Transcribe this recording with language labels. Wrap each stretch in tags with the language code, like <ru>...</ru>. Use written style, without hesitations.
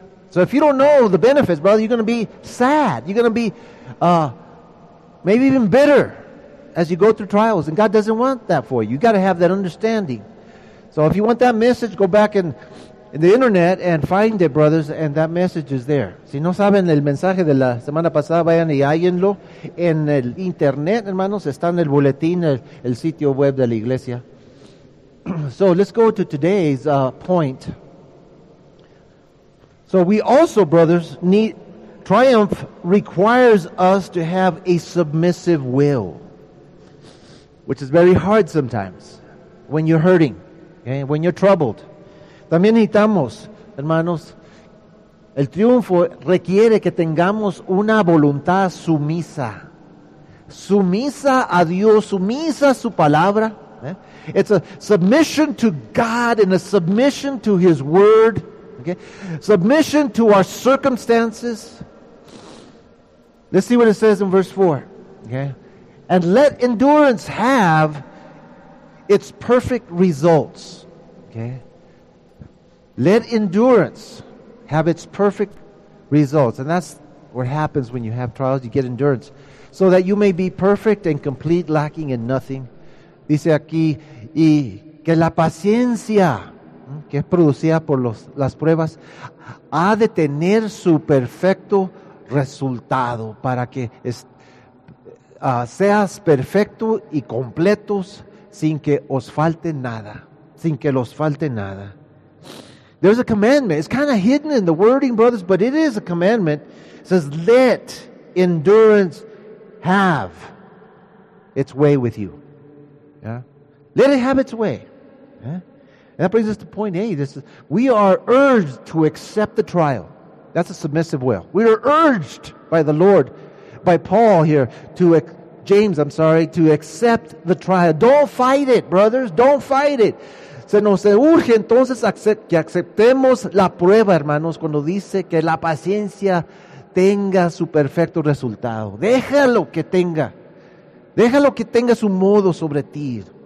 <en>So if you don't know the benefits, brother, you're going to be sad. You're going to be maybe even bitter as you go through trials. And God doesn't want that for you. You got to have that understanding. So if you want that message, go back in the internet and find it, brothers, and that message is there.</en> <es>Si no saben el mensaje de la semana pasada, vayan y háyanlo en el internet, hermanos. Está en el boletín, el sitio web de la iglesia.</es> <en>So let's go to today's point. So we also, brothers, need triumph requires us to have a submissive will, which is very hard sometimes when you're hurting, okay? When you're troubled.</en> <es>También necesitamos, hermanos, el triunfo requiere que tengamos una voluntad sumisa. Sumisa a Dios, sumisa a su palabra. Okay?</es> <en>It's a submission to God and a submission to his word. Okay? Submission to our circumstances. Let's see what it says in verse 4. Okay? And let endurance have its perfect results. Okay? Let endurance have its perfect results. And that's what happens when you have trials. You get endurance. So that you may be perfect and complete, lacking in nothing.</en> <es>Dice aquí, y que la paciencia... que es producida por las pruebas, ha de tener su perfecto resultado para que seas perfecto y completos sin que os falte nada, sin que los falte nada.</es> <en>There's a commandment. It's kind of hidden in the wording, brothers, but it is a commandment. It says, let endurance have its way with you. Yeah? Let it have its way. Yeah? And that brings us to point A. This is, we are urged to accept the trial. That's a submissive will. We are urged by the Lord, by Paul here, to James, I'm sorry, to accept the trial. Don't fight it, brothers. Don't fight it.</en> <es>Se nos urge entonces que aceptemos la prueba, hermanos, cuando dice que la paciencia tenga su perfecto resultado. Déjalo que tenga. Déjalo que tenga su modo sobre ti.</es>